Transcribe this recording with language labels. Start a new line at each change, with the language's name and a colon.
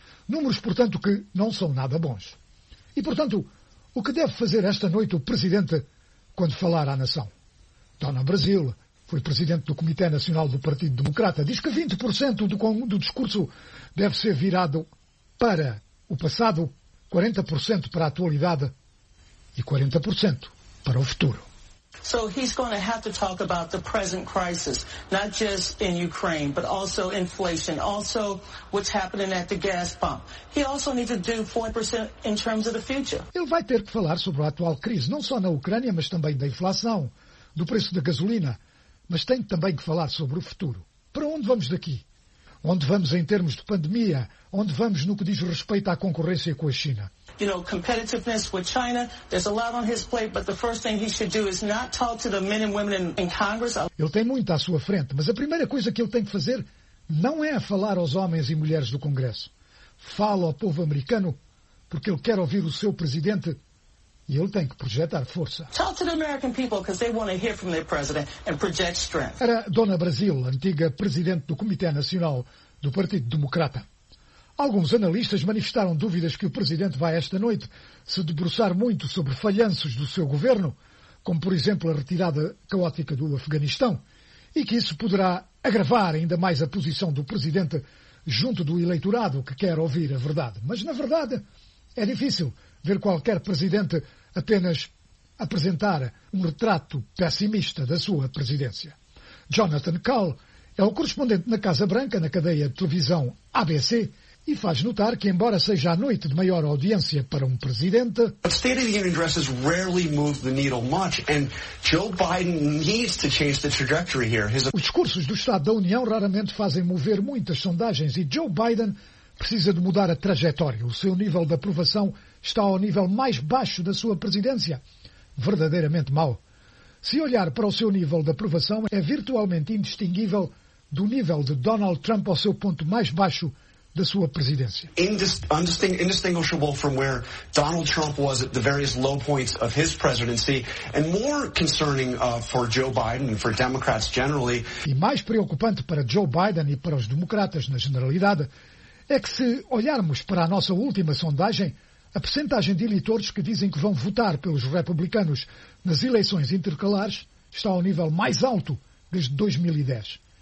Portuguese: Números, portanto, que não são nada bons. E, portanto, o que deve fazer esta noite o presidente quando falar à nação? Dona Brasil foi presidente do Comitê Nacional do Partido Democrata. Diz que 20% do discurso deve ser virado para o passado, 40% para a atualidade e 40% para o futuro.
English: So he's going to have to talk about the present crisis, not just in Ukraine, but also inflation, also what's happening at the gas pump. He also needs to do 40% in terms of the future.
Portuguese: Ele vai ter que falar sobre a atual crise, não só na Ucrânia, mas também da inflação, do preço da gasolina, mas tem também que falar sobre o futuro. Para onde vamos daqui? Onde vamos em termos de pandemia? Onde vamos no que diz respeito à concorrência com a China?
English: You know, competitiveness with China, there's a lot on his plate, but the first thing he should do is not talk to the men and women in Congress.
Portuguese: Ele tem muito à sua frente, mas a primeira coisa que ele tem que fazer não é falar aos homens e mulheres do Congresso. Fala ao povo americano, porque ele quer ouvir o seu presidente e ele tem que projetar força.
English: Talk to the American people, because they want to hear from their president and project strength.
Portuguese: Era Dona Brasil, antiga presidente do Comitê Nacional do Partido Democrata. Alguns analistas manifestaram dúvidas que o presidente vai esta noite se debruçar muito sobre falhanços do seu governo, como por exemplo a retirada caótica do Afeganistão, e que isso poderá agravar ainda mais a posição do presidente junto do eleitorado que quer ouvir a verdade. Mas na verdade é difícil ver qualquer presidente apenas apresentar um retrato pessimista da sua presidência. Jonathan Cowell é o correspondente na Casa Branca, na cadeia de televisão ABC, e faz notar que, embora seja a noite de maior audiência para um presidente,
English: a State of the Union addresses rarely move the needle much, and Joe Biden needs to change the trajectory here.
Portuguese: Os discursos do Estado da União raramente fazem mover muitas sondagens, e Joe Biden precisa de mudar a trajetória. O seu nível de aprovação está ao nível mais baixo da sua presidência, verdadeiramente mau. Se olhar para o seu nível de aprovação, é virtualmente indistinguível do nível de Donald Trump ao seu ponto mais baixo da sua presidência.
English: Indistinguishable from where Donald Trump was at the various low points of his presidency, and more concerning for Joe Biden and for Democrats generally.
Portuguese: E mais preocupante para Joe Biden e para os democratas na generalidade é que, se olharmos para a nossa última sondagem, A percentagem de eleitores que dizem que vão votar pelos republicanos nas eleições intercalares está ao nível mais alto desde 2010.